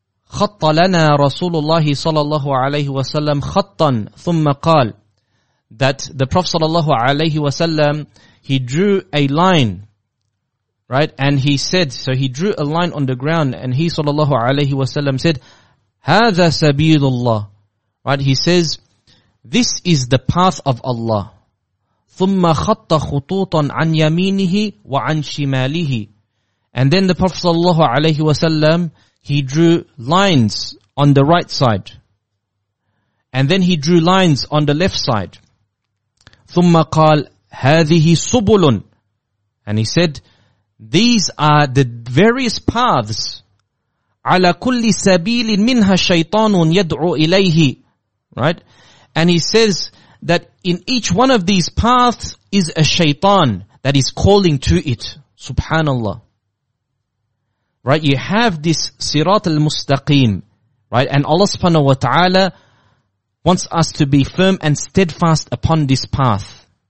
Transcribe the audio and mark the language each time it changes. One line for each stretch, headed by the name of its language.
Arabic: خط لنا رسول الله صلى الله عليه وسلم خطا ثم قال,
English: that the Prophet صلى الله عليه وسلم, he drew a line, right, and he said, so he drew a line on the ground, and he صلى الله عليه وسلم said,
Arabic: هذا سبيل الله,
English: right, he says, this is the path of Allah,
Arabic: ثم خط خطوطا عن يمينه وعن شماله.
English: And then the Prophet sallallahu alayhi wa sallam, he drew lines on the right side. And then he drew lines on the left side.
Arabic: ثم قال هذه سبل.
English: And he said, these are the various paths.
Arabic: على كل سبيل منها شيطان يدعو إليه.
English: Right? And he says that in each one of these paths is a shaitan that is calling to it. Subhanallah. Right, you have this Sirat al-Mustaqim, right? And Allah subhanahu wa ta'ala wants us to be firm and steadfast upon this path.